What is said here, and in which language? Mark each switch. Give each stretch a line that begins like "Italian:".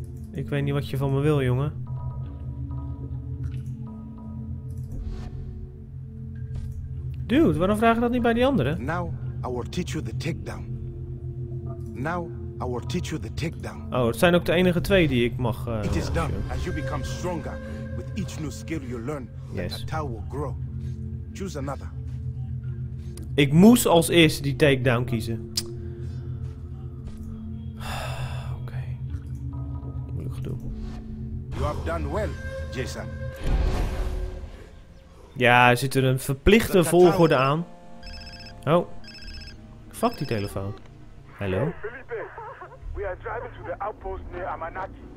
Dutch: Ik weet niet wat je van me wil, jongen. Dude, waarom vraag je dat niet bij die anderen?
English: Now I will teach you the takedown. Now I will teach you the takedown.
Dutch: Oh, het zijn ook de enige twee die ik mag.
English: It is done. As you become stronger, with each new skill you learn, the tattoo will grow. Choose another.
Dutch: Ik moest als eerste die takedown kiezen. Oké. Moeilijk gedoe.
English: You have done well, Jason.
Dutch: Ja, er zit er een verplichte volgorde aan. Oh. Fuck die telefoon. Hallo?
English: Felipe, we are driving to the outpost near Amanaki.